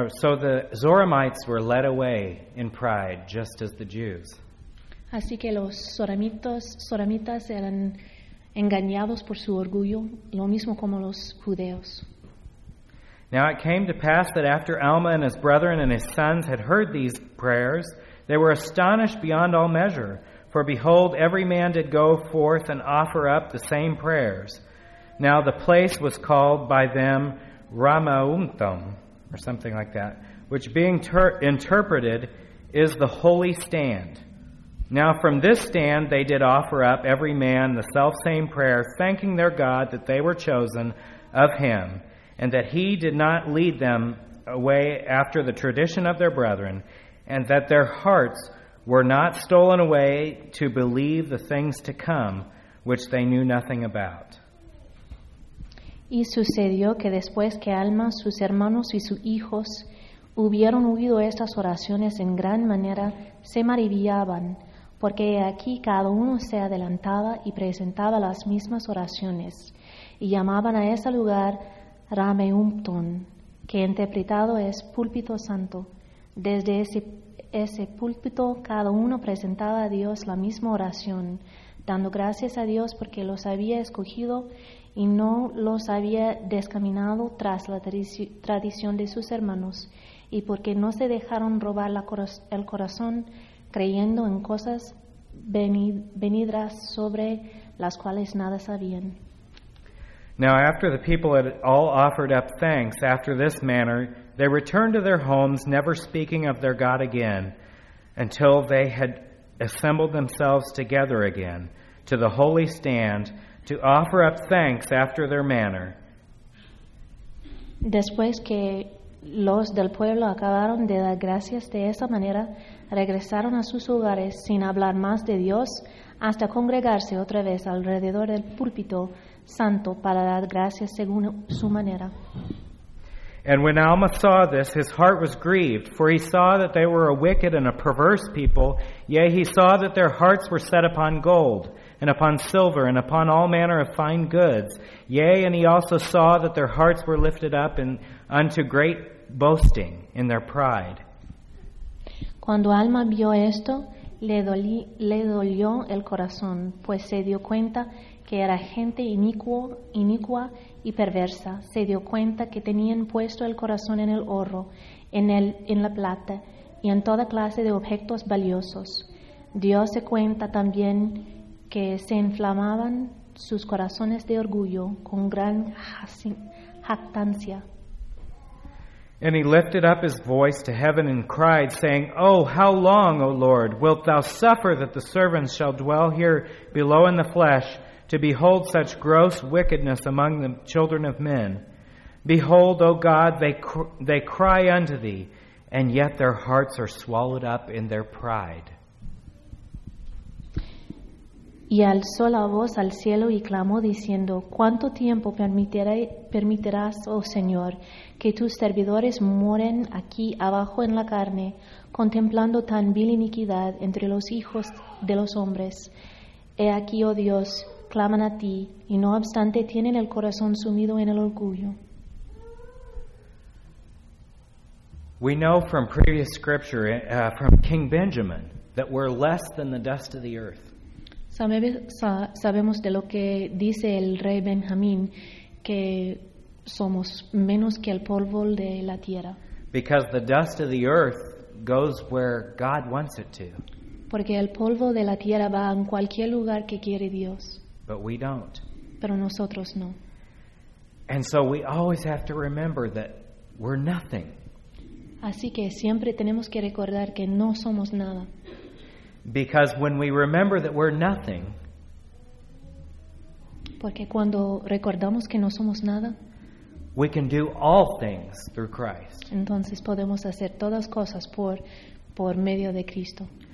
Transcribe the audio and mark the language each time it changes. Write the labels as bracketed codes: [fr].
[en] So the Zoramites were led away in pride, just as the Jews. [es] Así que los Zoramitas eran engañados por su orgullo, lo mismo como los judeos. [en] Now it came to pass that after Alma and his brethren and his sons had heard these prayers, they were astonished beyond all measure. For behold, every man did go forth and offer up the same prayers. Now the place was called by them Ramauntham, or something like that, which being interpreted is the holy stand. Now from this stand they did offer up every man the selfsame prayer, thanking their God that they were chosen of him, and that he did not lead them away after the tradition of their brethren, and that their hearts were not stolen away to believe the things to come, which they knew nothing about. [es] Y sucedió que después que Alma, sus hermanos y sus hijos hubieron oído estas oraciones en gran manera, se maravillaban, porque aquí cada uno se adelantaba y presentaba las mismas oraciones, y llamaban a ese lugar Rameumton, que interpretado es púlpito santo. Desde ese púlpito, cada uno presentaba a Dios la misma oración, dando gracias a Dios porque los había escogido y no los había descaminado tras la tradición de sus hermanos, y porque no se dejaron robar el corazón creyendo en cosas venideras sobre las cuales nada sabían. [en] Now, after the people had all offered up thanks after this manner, they returned to their homes, never speaking of their God again, until they had assembled themselves together again to the holy stand to offer up thanks after their manner. [es] Después que los del pueblo acabaron de dar gracias de esa manera, regresaron a sus hogares sin hablar más de Dios hasta congregarse otra vez alrededor del púlpito santo para dar gracias según su manera. [en] And when Alma saw this, his heart was grieved, for he saw that they were a wicked and a perverse people. Yea, he saw that their hearts were set upon gold and upon silver and upon all manner of fine goods. Yea, and he also saw that their hearts were lifted up unto great boasting in their pride. [es] Cuando Alma vio esto, le dolió el corazón, pues se dio cuenta que era gente inicua y perversa. Se dio cuenta que tenían puesto el corazón en el oro, en la plata y en toda clase de objetos valiosos. Dios se cuenta también que se inflamaban sus corazones de orgullo con gran jactancia. [en] And he lifted up his voice to heaven and cried, saying, Oh, how long, O Lord, wilt thou suffer that the servants shall dwell here below in the flesh, to behold such gross wickedness among the children of men? Behold, O God, they cry unto thee, and yet their hearts are swallowed up in their pride. [es] Y alzó la voz al cielo y clamó diciendo, ¿cuánto tiempo permitirás, oh Señor, que tus servidores mueren aquí abajo en la carne, contemplando tan vil iniquidad entre los hijos de los hombres? He aquí, oh Dios, claman a ti, y no obstante tienen el corazón sumido en el orgullo. [en] We know from previous scripture, from King Benjamin, that we're less than the dust of the earth. [es] Sabemos de lo que dice el rey Benjamín, que somos menos que el polvo de la tierra. [en] Because the dust of the earth goes where God wants it to. [es] Porque el polvo de la tierra va en cualquier lugar que quiere Dios. [en] But we don't. [es] Pero nosotros no. [en] And so we always have to remember that we're nothing. [es] Así que siempre tenemos que recordar que no somos nada. [en] Because when we remember that we're nothing, [es] porque cuando recordamos que no somos nada, [en] we can do all things through Christ. [es] Entonces podemos hacer todas cosas por medio de Cristo.